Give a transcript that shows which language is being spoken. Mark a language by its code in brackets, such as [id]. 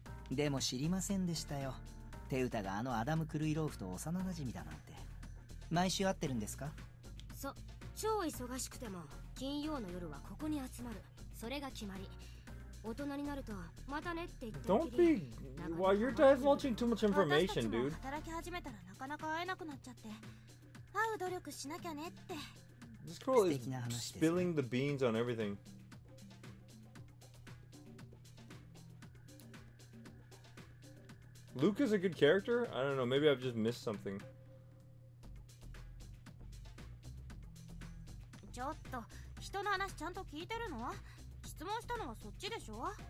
[ja] でも知りませんでしたよ。テウタがあのアダム・クルイローフと幼馴染だなんて。毎週会ってるんですか？そう、超忙しくても金曜の夜はここに集まる。それが決まり。大人になるとまたねって言ってきり。 [en] Don't be while you're divulging too much information, dude. [ja] 私たちも働き始めたらなかなか会えなくなっちゃって。会う努力しなきゃねって。 [en] This girl is spilling the beans on everything. Luke is a good character? I don't know, maybe I've just missed something. [ja] ちょっと、人の話ちゃんと聞いてるの？質問したのはそっちでしょ？